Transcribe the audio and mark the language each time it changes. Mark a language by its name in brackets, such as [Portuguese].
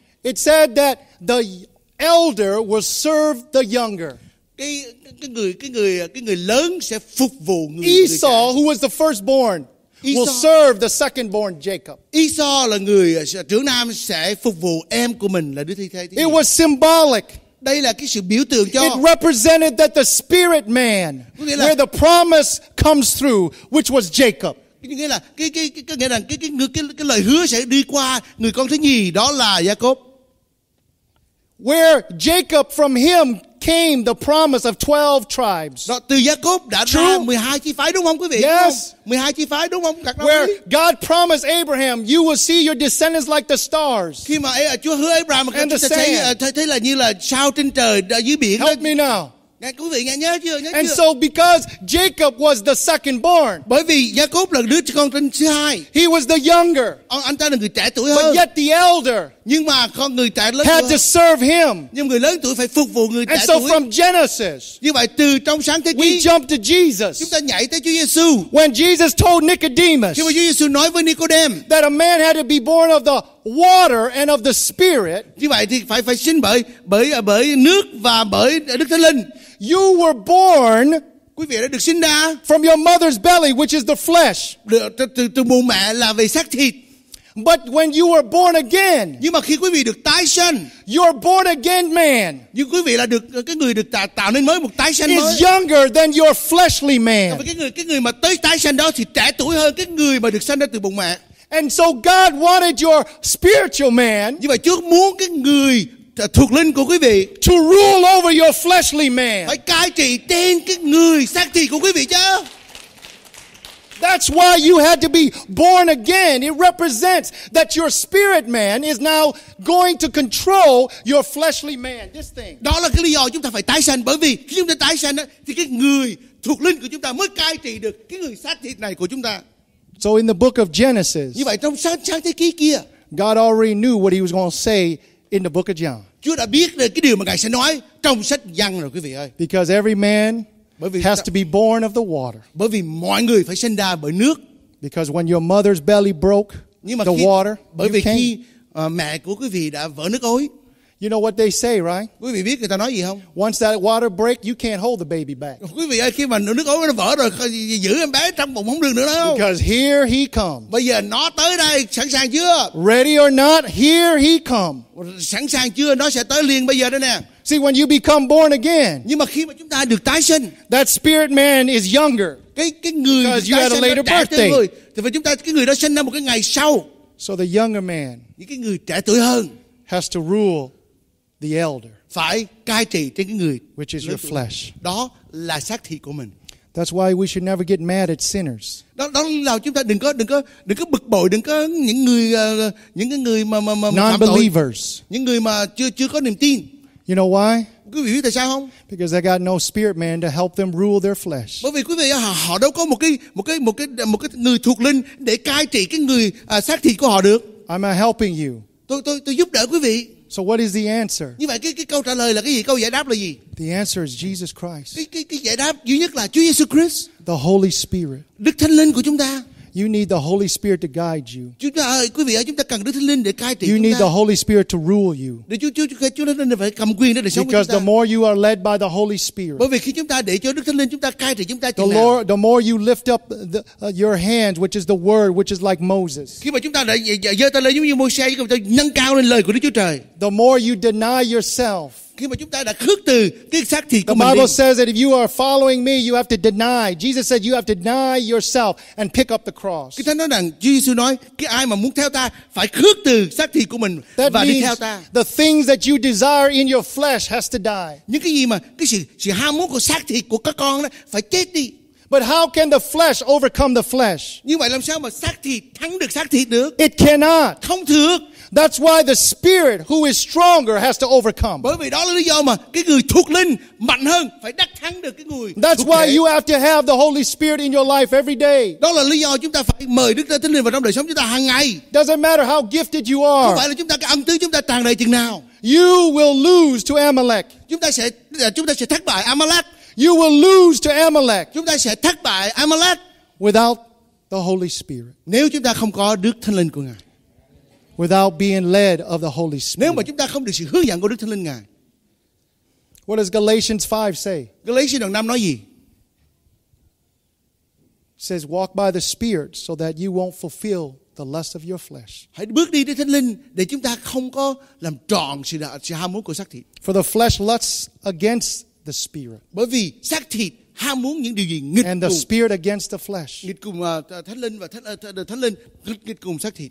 [English] it said that the elder will serve the younger. [Vietnamese] Cái người lớn sẽ phục vụ người trẻ. [English] Esau, who was the firstborn, will serve the secondborn Jacob. [Vietnamese] Esau là người trưởng nam sẽ phục vụ em của mình là đứa thứ hai. [English] It was symbolic. [Vietnamese] Đây là cái sự biểu tượng cho. [English] It represented that the spirit man, where the promise comes through, which was Jacob. [Vietnamese] Nghĩa là cái lời hứa sẽ đi qua người con thứ nhì đó là Jacob. [English] Where Jacob from him came the promise of 12 tribes. [Vietnamese] Đó, từ Jacob đã ra 12 chi phái đúng không quý vị? [English] Yes. [Vietnamese] 12 chi phái đúng không? [English] Where God promised Abraham, you will see your descendants like the stars. [Vietnamese] Khi mà Chúa hứa Abraham mà chúng ta thấy thấy là như là sao trên trời dưới biển. [English] Help me now. [Vietnamese] Nghe quý vị nghe nhớ chưa? [English] And so because Jacob was the second born. [Vietnamese] Bởi vì Jacob là đứa con trên thứ hai. [English] He was the younger. [Vietnamese] Anh ta là người trẻ tuổi [English] but [Vietnamese] hơn. [English] But yet the elder. [Vietnamese] Nhưng mà con người trẻ lớn [English] had to serve him. [Vietnamese] Nhưng người lớn tuổi phải phục vụ người trẻ tuổi. [English] And so from Genesis. [Vietnamese] Như vậy từ trong sáng thế ký. [English] We jump to Jesus. [Vietnamese] Chúng ta nhảy tới Chúa Giêsu. [English] When Jesus told Nicodemus. [Vietnamese] Khi mà Chúa Giêsu nói với Nicodem. [English] That a man had to be born of the water and of the spirit. [Vietnamese] Như vậy thì phải sinh bởi nước và bởi Đức Thánh Linh. [English] You were born. [Vietnamese] Quý vị đã được sinh ra [English] from your mother's belly, which is the flesh. [Vietnamese] Từ bụng mẹ là về xác thịt. [English] But when you were born again, [Vietnamese] nhưng mà khi quý vị được tái sinh, [English] you are born again, man. [Vietnamese] Nhưng quý vị là được cái người được tạo nên mới một tái sinh mới. [English] Is younger than your fleshly man. [Vietnamese] Còn cái người mà tới tái sinh đó thì trẻ tuổi hơn cái người mà được sinh ra từ bụng mẹ. [English] And so God wanted your spiritual man. [Vietnamese] Nhưng mà Chúa muốn cái người thuộc linh của quý vị [English] to rule over your fleshly man. [Vietnamese] Phải cai trị trên cái người xác thịt của quý vị chứ. [English] That's why you had to be born again. It represents that your spirit man is now going to control your fleshly man. This thing. [Vietnamese] Đó là cái lý do chúng ta phải tái sinh, bởi vì khi chúng ta tái sinh thì cái người thuộc linh của chúng ta mới cai trị được cái người xác thịt này của chúng ta. [English] So in the book of Genesis. [Vietnamese] Như vậy trong sáng thế ký kia, [English] God already knew what he was going to say in the book of John. [Vietnamese] Chúa đã biết được cái điều mà Ngài sẽ nói trong sách Giăng rồi quý vị ơi. [English] Because every man has to be born of the water. [Vietnamese] Bởi vì mọi người phải sinh ra bởi nước. [English] Because when your mother's belly broke the water, [Vietnamese] bởi vì khi mẹ của quý vị đã vỡ nước ối, [English] You know what they say, right? [Vietnamese] Quý vị biết người ta nói gì không? [English] Once that water breaks, you can't hold the baby back. [Vietnamese] Quý vị ơi, khi mà nước ối nó vỡ rồi, giữ em bé trong bụng không được nữa đâu. [English] Because here he comes. [Vietnamese] Bây giờ nó tới đây, sẵn sàng chưa? [English] Ready or not, here he comes. [Vietnamese] Sẵn sàng chưa? Nó sẽ tới liền bây giờ đây nè. [English] See, when you become born again, [Vietnamese] nhưng mà khi mà chúng ta được tái sinh, [English] that spirit man is younger. [Vietnamese] Cái người [English] because you had a later birthday. [Vietnamese] Thì phải chúng ta, cái người đó sinh năm một cái ngày sau. [English] So the younger man, [Vietnamese] những cái người trẻ tuổi hơn, [English] has to rule the elder, [Vietnamese] phải cai trị trên cái người, [English] which is your flesh. [Vietnamese] Đó là xác thịt của mình. [English] That's why we should never get mad at sinners. [Vietnamese] Đó là chúng ta đừng có bực bội, đừng có những người mà [English] non-believers, [Vietnamese] những người mà chưa có niềm tin. [English] You know why? [Vietnamese] Quý vị biết tại sao không? [English] Because they got no spirit man to help them rule their flesh. [Vietnamese] Bởi vì quý vị họ đâu có một cái người thuộc linh để cai trị cái người xác thịt của họ được. [English] I'm helping you. [Vietnamese] Tôi giúp đỡ quý vị. [English] So what is the answer? [Vietnamese] Như vậy cái câu trả lời là cái gì? Câu giải đáp là gì? [English] The answer is Jesus Christ. [Vietnamese] Cái giải đáp duy nhất là Chúa Jesus Christ. [English] The Holy Spirit. [Vietnamese] Đức Thánh Linh của chúng ta. [English] You need the Holy Spirit to guide you. [Vietnamese] Chúng ta ơi, quý vị ơi, chúng ta cần Đức Thánh Linh để cai trị. [English] You need the Holy Spirit to rule you. [Vietnamese] Để Chúa Thánh Linh phải cầm quyền để sống chúng ta. [English] Because the more you are led by the Holy Spirit. [Vietnamese] Bởi vì khi chúng ta để cho Đức Thánh Linh chúng ta cai trị chúng ta. [English] The more you lift up your hands, which is the Word, which is like Moses. [Vietnamese] Khi mà chúng ta giơ tay lên giống như Môi-se, chúng ta nâng cao lên lời của Đức Chúa Trời. [English] The more you deny yourself. [Vietnamese] Khi mà chúng ta đã khước từ cái xác thịt của mình. [English] The Bible says that if you are following me, you have to deny. Jesus said you have to deny yourself and pick up the cross. [Vietnamese] Cái thánh nói rằng, Jesus nói, cái ai mà muốn theo ta phải khước từ xác thịt của mình [English] that [Vietnamese] và đi theo ta. [English] That means the things that you desire in your flesh has to die. [Vietnamese] Những cái gì mà cái sự ham muốn của xác thịt của các con đó phải chết đi. [English] But how can the flesh overcome the flesh? [Vietnamese] Như vậy làm sao mà xác thịt thắng được xác thịt được? [English] It cannot. [Vietnamese] Không được. [English] That's why the spirit who is stronger has to overcome. [Vietnamese] Bởi vì đó là lý do mà cái người thuộc linh mạnh hơn phải đắc thắng được cái người. [English] That's why you have to have the Holy Spirit in your life every day. [Vietnamese] Đó là lý do chúng ta phải mời Đức Thánh Linh vào trong đời sống chúng ta hàng ngày. [English] Doesn't matter how gifted you are. [Vietnamese] Không phải là chúng ta cái ân tứ chúng ta tràn đầy chừng nào. [English] You will lose to Amalek. [Vietnamese] Chúng ta sẽ thất bại Amalek. [English] You will lose to Amalek. [Vietnamese] Chúng ta sẽ thất bại Amalek [English] without the Holy Spirit. [Vietnamese] Nếu chúng ta không có Đức Thánh Linh của Ngài. [English] Without being led of the Holy Spirit. [Vietnamese] Nếu mà chúng ta không được sự hướng dẫn của Đức Thánh Linh Ngài. [English] What does Galatians 5 say? [Vietnamese] Galatians đoạn 5 nói gì? [English] It says walk by the Spirit so that you won't fulfill the lust of your flesh. [Vietnamese] Hãy bước đi Đức Thánh Linh để chúng ta không có làm trọn sự ham muốn của xác thịt. [English] For the flesh lusts against the Spirit. [Vietnamese] Bởi vì xác thịt ham muốn những điều gì nghịch cùng. [English] And the spirit against the flesh. [Vietnamese] Nghịch cùng thánh linh và thánh linh nghịch cùng xác thịt.